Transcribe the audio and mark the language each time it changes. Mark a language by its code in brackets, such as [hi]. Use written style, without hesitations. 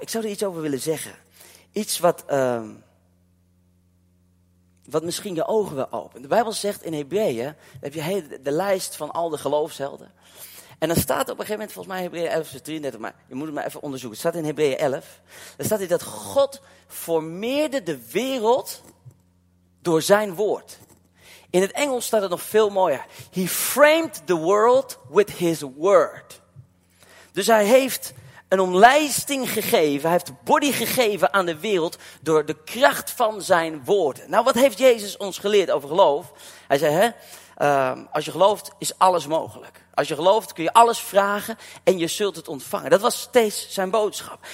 [nl] Ik zou er iets over willen zeggen. Iets wat misschien je ogen wel opent. De Bijbel zegt in Hebreeën, heb je de lijst van al de geloofshelden. En dan staat op een gegeven moment, volgens mij Hebreeën 11, 33, maar je moet het maar even onderzoeken. Het staat in Hebreeën 11. Dan staat hier dat God formeerde de wereld door zijn woord. In het Engels staat het nog veel mooier. [en] He framed the world with his word. [nl] Dus hij heeft een omlijsting gegeven, hij heeft body gegeven aan de wereld door de kracht van zijn woorden. Nou, wat heeft Jezus ons geleerd over geloof? Hij zei, hè, als je gelooft is alles mogelijk. Als je gelooft kun je alles vragen en je zult het ontvangen. Dat was steeds zijn boodschap.